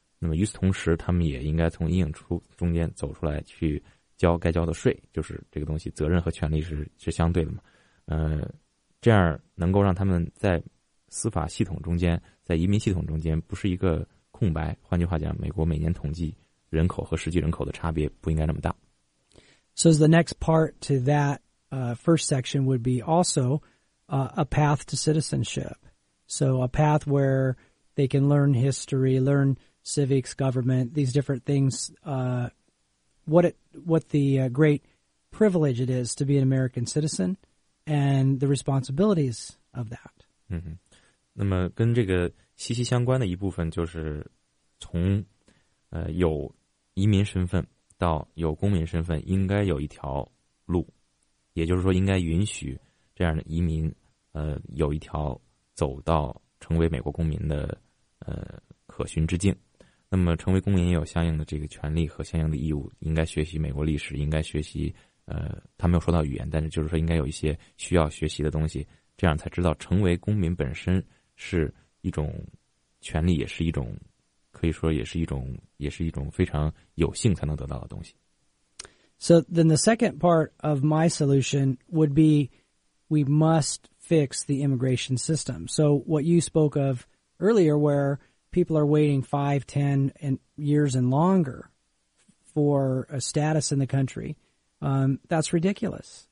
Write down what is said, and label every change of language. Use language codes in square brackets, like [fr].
[zh] 那么与此同时，他们也应该从阴影中间走出来，去交该交的税，就是这个东西责任和权利是相对的嘛。这样能够让他们在司法系统中间，在移民系统中间不是一个空白。换句话讲，美国每年统计人口和实际人口的差别不应该那么大。 [en] So the next part to that first section would be also a path to citizenship. So a path where they can learn history, learn civics, government, these different things, what the great privilege it is to be an American citizen and the responsibilities of that. Mm-hmm. [zh] 那么跟这个息息相关的一部分就是从有移民身份到有公民身份应该有一条路，也就是说应该允许这样的移民有一条走到成为美国公民的可循之境。那么成为公民也有相应的这个权利和相应的义务，应该学习美国历史，应该学习他没有说到语言，但是就是说应该有一些需要学习的东西，这样才知道成为公民本身是一种权利，也是一种可以说也是一种非常有幸才能得到的东西。 [en] So then the second part of my solution would be we must fix the immigration system. So what you spoke of earlier where people are waiting 5, 10 and years and longer for a status in the country, that's ridiculous.